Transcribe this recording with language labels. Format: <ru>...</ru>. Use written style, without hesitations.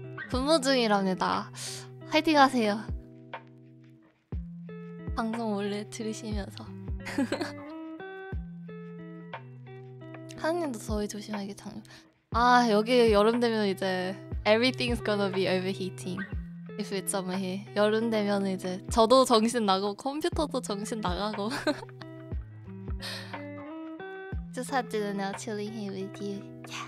<ko>근무 중이랍니다. 화이팅하세요. 방송 원래 들으시면서. 하은님도 더위 조심하게 장려. 아, 여기 여름 되면 이제.</ko> <en>Everything's gonna be overheating if it's summer here.</en> <ko>여름 되면 이제 저도 정신 나고 컴퓨터도 정신 나가고.</ko> <en>Just had dinner now, chilling here with you.</en>